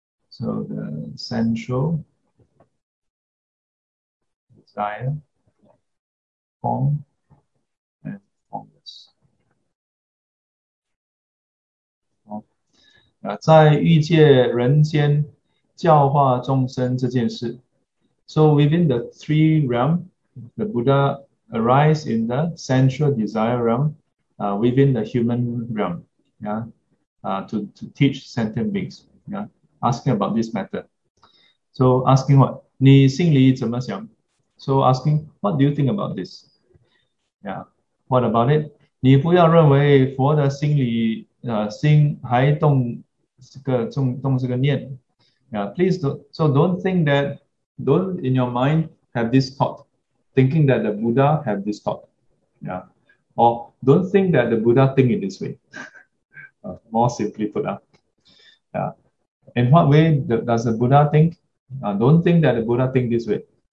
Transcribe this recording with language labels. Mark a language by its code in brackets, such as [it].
[en] So the sensual desire, form, and formless. [zh] 在欲界人间教化众生这件事. [en] So within the three realm, the Buddha arise in the sensual desire realm, within the human realm, yeah, to teach sentient beings, yeah, asking about this matter. So asking what? [zh] 你心里怎么想? [en] So asking, what do you think about this? Yeah, what about it? [zh] 你不要认为佛的心里，心还动这个动这个念。 [en] Yeah, please don't. So don't think that. Don't in your mind have this thought, thinking that the Buddha have this thought. Yeah, or don't think that the Buddha think in this way. more simply put, yeah. In what way does the Buddha think? Don't think that the Buddha think this way.